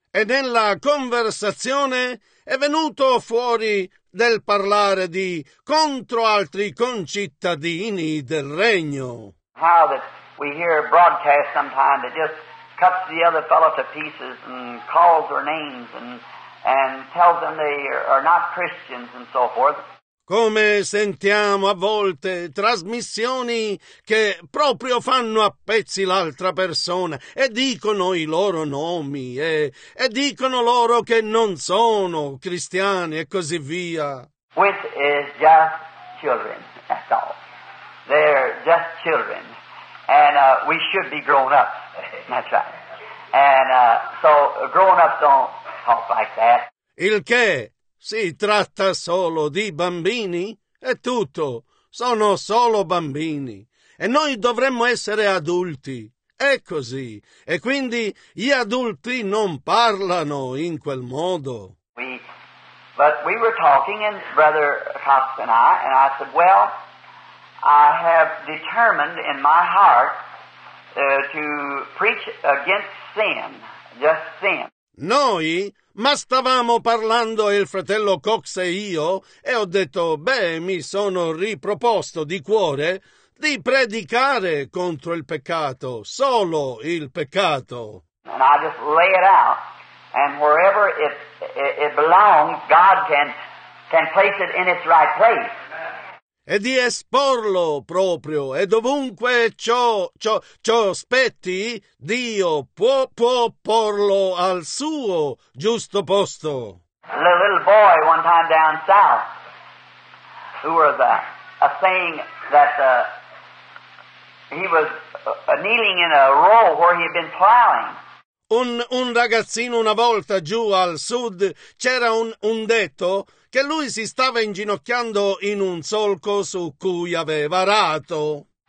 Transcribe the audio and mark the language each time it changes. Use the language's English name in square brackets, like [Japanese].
[Italian] E nella conversazione è venuto fuori del parlare di contro altri concittadini del regno. [English] How that we hear broadcast sometimes that just cuts the other fellow to pieces and calls their names and tells them they are not Christians and so forth. [Italian] Come sentiamo a volte trasmissioni che proprio fanno a pezzi l'altra persona e dicono i loro nomi e dicono loro che non sono cristiani e così via. [English] Which is just children, that's all. They're just children. And we should be grown up. That's right. And so grown up don't talk like that. [Italian] Il che? Si tratta solo di bambini, è tutto, sono solo bambini, e noi dovremmo essere adulti, è così, e quindi gli adulti non parlano in quel modo. [English] But we were talking, and Brother Cox and I said, well, I have determined in my heart to preach against sin, just sin. [Italian] Noi? Ma stavamo parlando il fratello Cox e io, e ho detto, beh, mi sono riproposto di cuore di predicare contro il peccato, solo il peccato. [English] And I just lay it out, and wherever it belongs, God can place it in its right place. [Italian] E di esporlo proprio, e dovunque ciò spetti, Dio può porlo al suo giusto posto. [English] The little boy one time down south, who was a saying that he was kneeling in a row where he had been plowing. [Italian] Un ragazzino una volta giù al sud, c'era un detto che lui si stava inginocchiando in un solco su cui aveva arato.